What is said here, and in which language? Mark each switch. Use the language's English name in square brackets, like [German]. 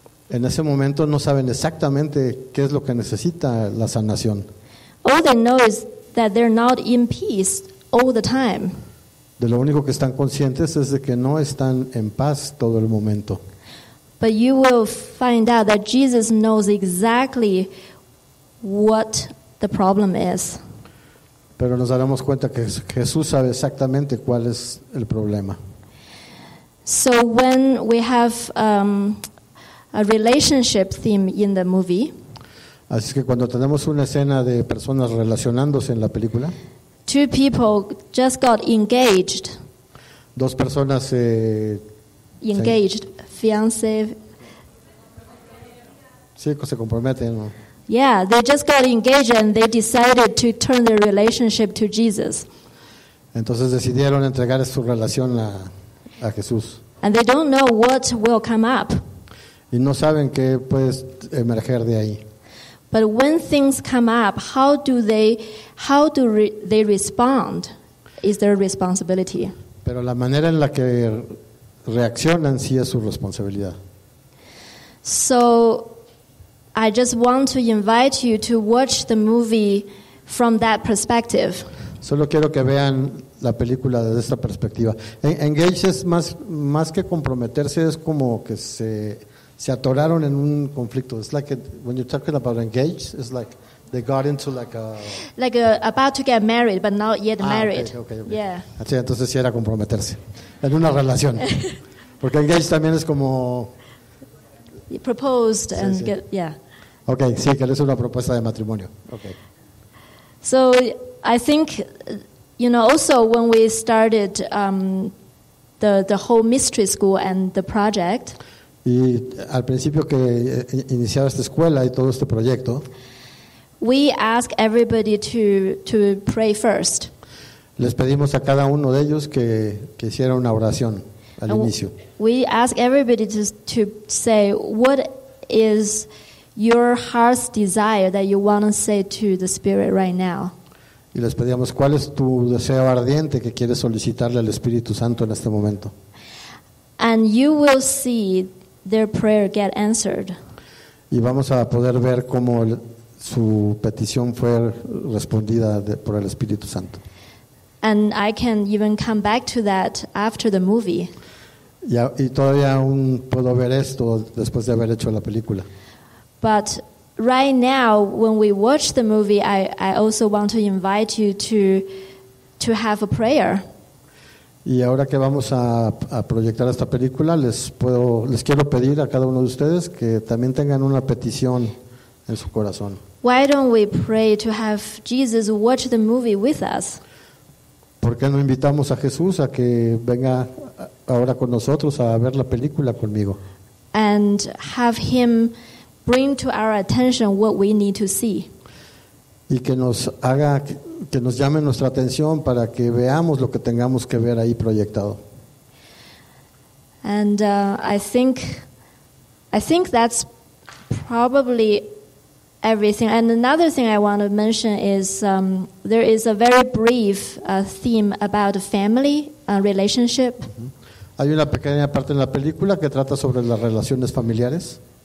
[Spanish] En ese momento no saben exactamente qué es lo que necesita la sanación. [English] All they know is that they're not in peace all the time. [Spanish] De lo único que están conscientes es de que no están en paz todo el momento. [English] But you will find out that Jesus knows exactly what the problem is. [Spanish] Pero nos daremos cuenta que Jesús sabe exactamente cuál es el problema. [English] So when we have a relationship theme in the movie, [Spanish] así que cuando tenemos una escena de personas relacionándose en la película, [English] two people just got engaged. [Spanish] Dos personas [English] engaged, fiancé. [Spanish] Sí, se comprometen, ¿no? [English] Yeah, they just got engaged and they decided to turn their relationship to Jesus. [Spanish] Entonces decidieron entregar su relación a Jesús. [English] And they don't know what will come up. [Spanish] Y no saben qué puede emerger de ahí. [English] But when things come up, how do they respond? Is their responsibility. [Spanish] Pero la manera en la que reaccionan sí es su responsabilidad. [English] So I just want to invite you to watch the movie from that perspective. [Spanish] Solo quiero que vean la película desde esta perspectiva. Engage es más que comprometerse, es como que se atoraron en un conflicto. [English] It's like when you're talking about engage, it's like they got into like about to get married but not yet married. Okay. [Spanish] Yeah. Así, entonces sí era comprometerse en una relación. Porque engage también es como [English] you proposed and sí. Get yeah. [Spanish] Okay, sí, que es una propuesta de matrimonio. [English] Okay. So I think you know also when we started the whole mystery school and the project, [Spanish] y al principio que iniciaba esta escuela y todo este proyecto, [English] we ask everybody to pray first. [Spanish] Les pedimos a cada uno de ellos que hiciera una oración al inicio. [English] We ask everybody to say what is your heart's desire that you want to say to the Spirit right now. [Spanish] Y les pedíamos cuál es tu deseo ardiente que quieres solicitarle al Espíritu Santo en este momento. [English] And you will see their prayer get answered. [Spanish] Y vamos a poder ver cómo su petición fue respondida por el Espíritu Santo. [English] And I can even come back to that after the movie. [Spanish] Y todavía aún puedo ver esto después de haber hecho la película. [English] But right now, when we watch the movie, I also want to invite you to have a prayer. [Spanish] Y ahora que vamos a proyectar esta película, les quiero pedir a cada uno de ustedes que también tengan una petición en su corazón. [English] Why don't we pray to have Jesus watch the movie with us? [Spanish] ¿Por qué no invitamos a Jesús a que venga ahora con nosotros a ver la película conmigo? [English] And have him bring to our attention what we need to see. [Spanish] Y que nos haga que nos llame nuestra atención para que veamos lo que tengamos que ver ahí proyectado. [English] And I think that's probably everything. And another thing I want to mention is there is a very brief theme about family relationship. Uh-huh. [Spanish] Hay una pequeña parte en la película que trata sobre las relaciones familiares.